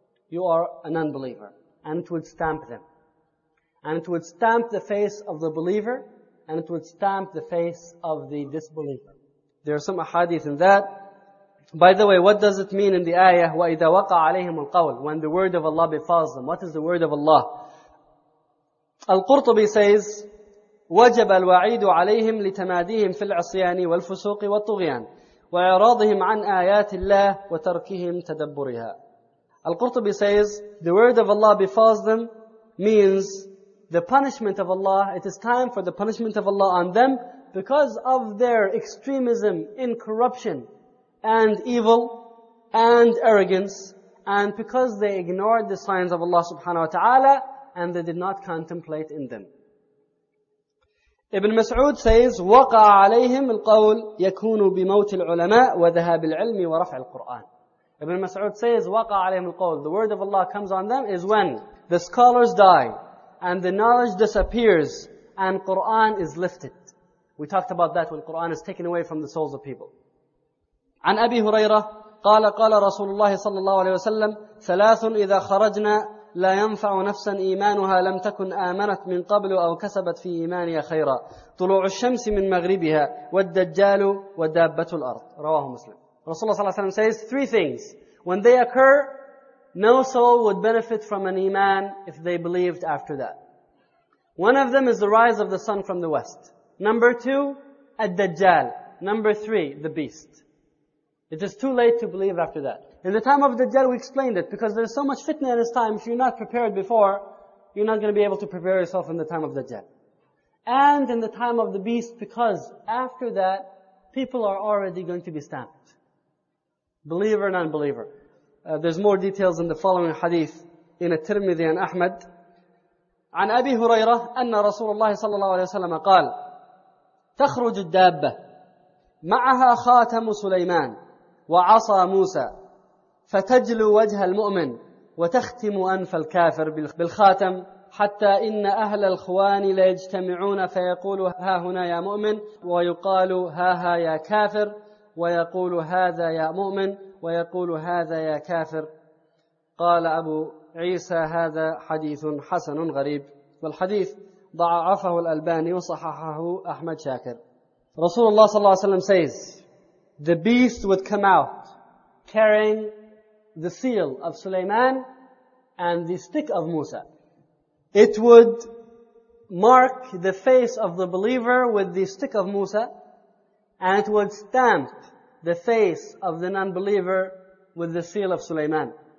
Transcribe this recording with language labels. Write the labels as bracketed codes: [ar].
[en] You are an unbeliever. And it would stamp them. And it would stamp the face of the believer. And it would stamp the face of the disbeliever. There are some ahadith in that. By the way, what does it mean in the ayah, [ar] وَإِذَا وَقَعَ عَلَيْهِمُ الْقَوْلِ, [en] when the word of Allah befalls them? What is the word of Allah? Al-Qurtubi says, [ar] وَجَبَ الْوَعِيدُ عَلَيْهِمْ لِتَمَادِيهِمْ فِي الْعَصِيَانِ وَالْفُسُوقِ وَالطُّغِيَانِ وَإِعْرَاضِهِمْ عَنْ آيَاتِ اللَّهِ وَتَرْكِهِمْ تَدَبُّرِهَا. [en] Al-Qurtubi says, the word of Allah befalls them means the punishment of Allah, it is time for the punishment of Allah on them because of their extremism in corruption and evil and arrogance, and because they ignored the signs of Allah subhanahu wa ta'ala and they did not contemplate in them. Ibn Mas'ud says, [ar] وَقَعَ عَلَيْهِمْ الْقَوْلِ يَكُونُ بِمَوْتِ الْعُلَمَاءِ وَذَهَابِ الْعِلْمِ وَرَفْعِ الْقُرْآنِ. [en] Ibn Mas'ud says, [ar] وَقَعَ عَلَيْهِمْ الْقَوْلِ, [en] the word of Allah comes on them is when the scholars die and the knowledge disappears and Qur'an is lifted. We talked about that when Qur'an is taken away from the souls of people. [ar] عن أبي هريرة قال قال رسول الله صلى الله عليه وسلم ثلاث إذا خرجنا لا ينفع نفسا إيمانها لم تكن آمنت من قبل أو كسبت في إيمانها خيرا طلوع الشمس من مغربها والدجال ودابة الأرض. رواه مسلم. رسول الله صلى الله عليه وسلم [en] says three things. When they occur, no soul would benefit from an iman if they believed after that. One of them is the rise of the sun from the west. Number two, الدجال. Number three, the beast. It is too late to believe after that. In the time of Dajjal, we explained it, because there is so much fitna in this time, if you're not prepared before, you're not going to be able to prepare yourself in the time of Dajjal. And in the time of the beast, because after that, people are already going to be stamped. Believer, non-believer. There's more details in the following hadith, in At-Tirmidhi and Ahmad. [ar] عن أبي هريرة أن رسول الله صلى الله عليه وسلم قال تخرج الدابة معها خاتم سليمان وعصى موسى فتجلو وجه المؤمن وتختم أنف الكافر بالخاتم حتى إن أهل الخوان ليجتمعون فيقول ها هنا يا مؤمن ويقال ها ها يا كافر ويقول هذا يا مؤمن ويقول هذا يا كافر. قال أبو عيسى هذا حديث حسن غريب, والحديث ضعفه الألباني وصححه أحمد شاكر. رسول الله صلى الله عليه وسلم [en] says, the beast would come out carrying the seal of Sulaiman and the stick of Musa. It would mark the face of the believer with the stick of Musa, and it would stamp the face of the non-believer with the seal of Sulaiman.